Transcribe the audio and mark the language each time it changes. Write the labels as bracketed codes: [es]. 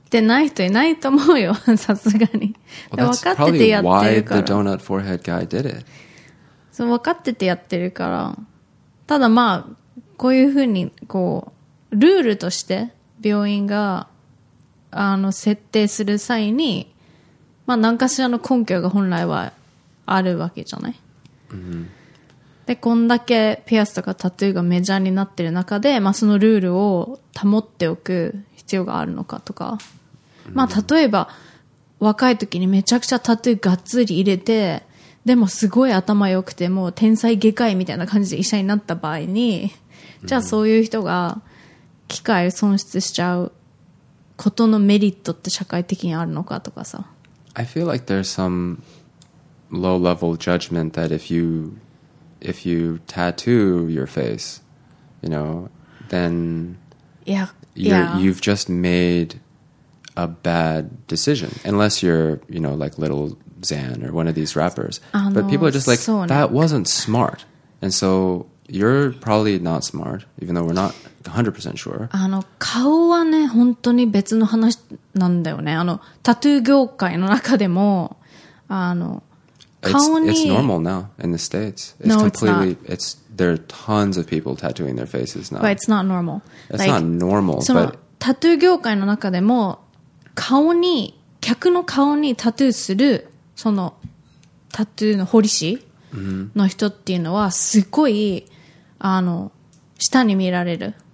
[en] Well, that's probably why the donut forehead guy did it. [ja] そう、分かっててやってるから。ただまあ、こういうふうにこう、ルールとして病院が、あの、設定する際に、まあ、何かしらの根拠が本来はあるわけじゃない。 Mm-hmm. で、こんだけピアスとかタトゥーがメジャーになってる中で、まあ、そのルールを保っておく必要があるのかとか。まあ、例えば若い時にめちゃくちゃタトゥーがっつり入れて、でもすごい頭良くてもう天才外科医みたいな感じで医者になった場合に、じゃあそういう人が機会を損失しちゃうことのメリットって社会的にあるのかとかさ。 [en] I feel like there's some low level judgment that if you tattoo your face, you know, then you've just made a bad decision. Unless you're, you know, like Little Xan or one of these rappers. But people are just like, that wasn't smart. And so you're probably not smart, even though we're not 100% sure. [ja] あの、顔はね、本当に別の話なんだよね。あの、タトゥー業界の中でも、あの、 [en] It's normal now in the States. It's completely, there are tons of people tattooing their faces now. But it's not normal. It's like, not normal, その、 but [ja] タトゥー業界の中でも、顔に、客の顔にタトゥーする、その、タトゥーの彫り師の人っていうのは、すごい、あの、下に見られる。